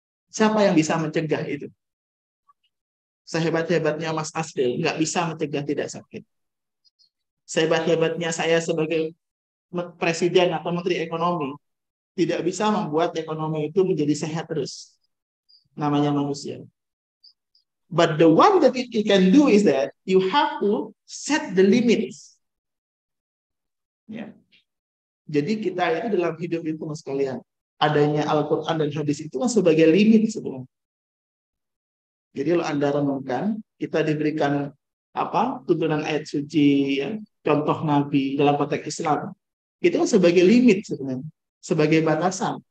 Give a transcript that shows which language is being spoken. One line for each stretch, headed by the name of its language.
Indonesian: Siapa yang bisa mencegah itu? Sehebat-hebatnya Mas Asril, nggak bisa mencegah tidak sakit. Sehebat-hebatnya saya sebagai presiden atau menteri ekonomi, tidak bisa membuat ekonomi itu menjadi sehat terus. Namanya manusia.
English: But the one that you can do is that you have to set the limits. Yeah.
Indonesian: Jadi kita itu dalam hidup itu, Mas kalian, adanya Al-Quran dan hadis itu sebagai limit sebenarnya. Jadi kalau Anda renungkan, kita diberikan apa tuntunan ayat suci, ya, contoh Nabi dalam konteks Islam, itu sebagai limit sebenarnya, sebagai batasan.